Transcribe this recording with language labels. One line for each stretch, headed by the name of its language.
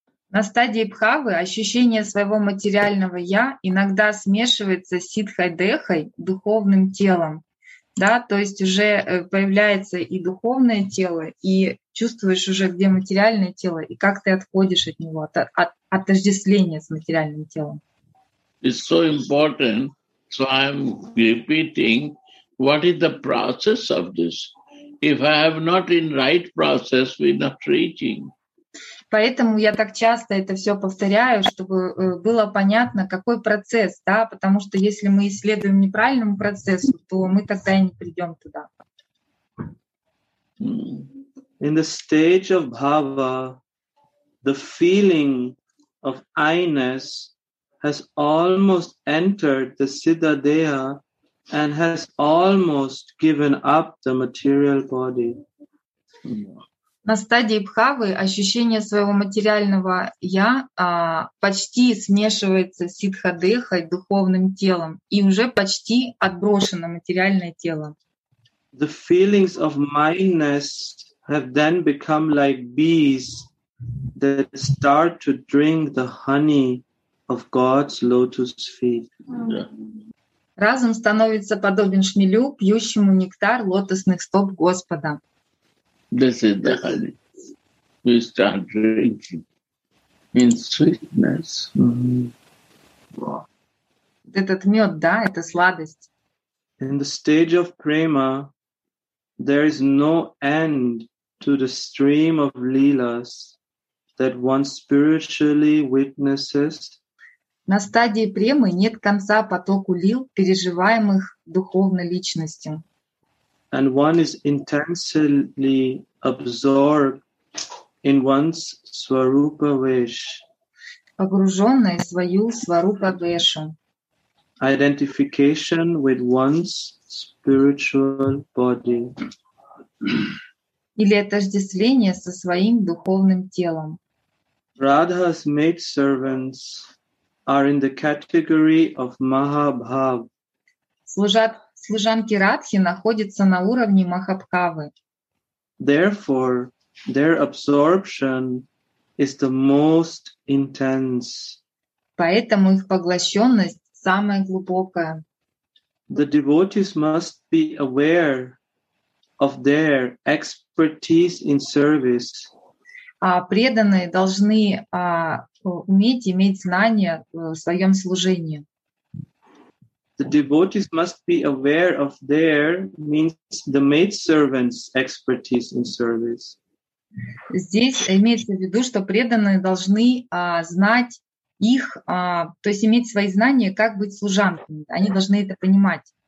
Russian: На стадии бхавы ощущение своего материального я иногда смешивается с ситхой-дехой, духовным телом. Да, то есть уже появляется и духовное тело, и чувствуешь уже, где материальное тело, и как ты отходишь от него, от отождествления с материальным телом.
English: It's so important, so I'm repeating, what is the process of this? If I have not in right process, we're not reaching.
Russian: Поэтому я так часто это все повторяю, чтобы было понятно, какой процесс, да, потому что если мы исследуем неправильному процессу, то мы тогда и не придем туда.
English: In the stage of bhava, the feeling of I-ness has almost entered the siddha-deha and has almost given up the material body.
Russian: На стадии бхавы ощущение своего материального я почти смешивается с ситха-дехой, духовным телом, и уже почти отброшено материальное тело.
English: The feelings of mindness have then become like bees that start to drink the honey of God's lotus feet.
Russian: Разум становится подобен шмелю, пьющему нектар лотосных стоп Господа.
English: This is the honey. We start drinking in sweetness.
Russian: Этот мед, да, это сладость.
English: In the stage of prema, there is no end to the stream of lilas that one spiritually witnesses.
Russian: На стадии премы нет конца потоку лил, переживаемых духовно личностью.
English: And one is intensely absorbed in one's Swarupa Vesh.
Russian: Погруженная в свою Swarupa Vesha.
English: Identification with one's spiritual body.
Russian: Или отождествление со своим духовным телом.
English: Radha's maidservants are in the category of Mahabhav.
Russian: Служанки Радхи находятся на уровне Махабхавы.
English: Therefore, their absorption is the most intense.
Russian: Поэтому их поглощенность самая глубокая.
English: The devotees must be aware of their expertise in service.
Russian: А преданные должны уметь иметь знания в своем служении.
English: The devotees must be aware of their, means the maidservant's expertise in service.
Russian: Здесь имеется в виду, что преданные должны знать их, то есть иметь свои знания, как быть служанками. Они должны это понимать.